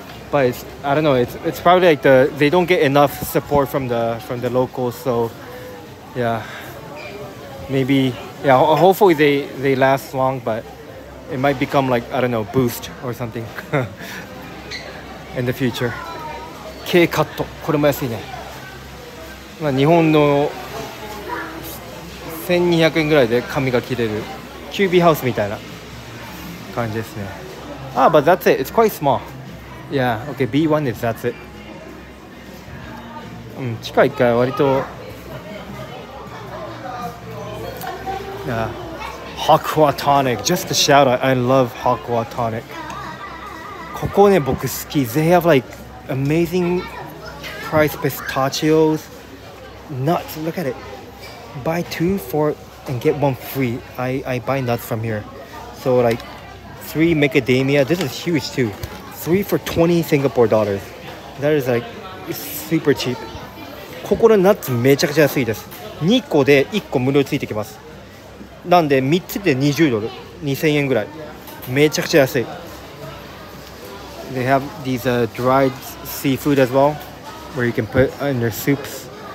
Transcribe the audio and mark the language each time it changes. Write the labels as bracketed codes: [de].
[en] But it's, I don't know, it's probably like they don't get enough support from the locals, so yeah, maybe, yeah, hopefully they last long, but it might become like, I don't know, Boost or something in the future. [ja] K カット、これも安いね。まあ日本の1200円ぐらいで髪が切れる、キュービーハウスみたいな感じですね。 [en] Ah, but that's it. It's quite small. Yeah, okay, B1 is that's it. [ja] うん、地下1階は割と… Yeah. [en] Hakua Tonic. Just a shout out. I love Hakua Tonic. [ja] ここね、僕好き。 [en] They have like amazing price pistachios. Nuts. Look at it. Buy 2, 4, and get 1 free. I buy nuts from here. So like…3 macadamia, this is huge too. 3 for 20 Singapore dollars. That is like super cheap. [ja] ここのナッツめちゃくちゃ安いです。2個で1個無料ついてきます。なんで3つで20ドル、2000円ぐらい。めちゃくちゃ安い。 [en] They have these dried seafood as well, where you can put in your soups.